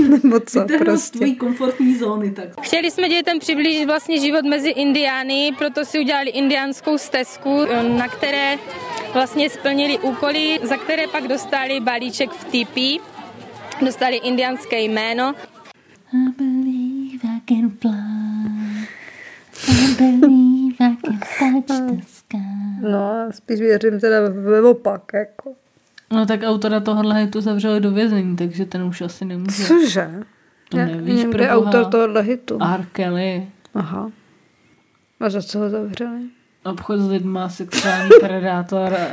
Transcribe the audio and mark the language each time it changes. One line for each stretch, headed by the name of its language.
Czech: Nebo co prostě? Tvojí komfortní zóny, tak. Chtěli jsme dětem přiblížit vlastně život mezi Indiány, proto si udělali indiánskou stezku, na které vlastně splnili úkoly, za které pak dostali balíček v tipi, dostali indiánské jméno.
English: I believe I can fly, I believe I can touch the sky.
Czech: No, spíš věřím teda ve opak, jako. No tak autora tohohle hitu zavřeli do vězení, takže ten už asi nemůže. Cože? To nevíš, někde proboha. Autor tohohle hitu? R. Kelly. Aha. A za co ho zavřeli? Obchod s lidma, sexuální predátor.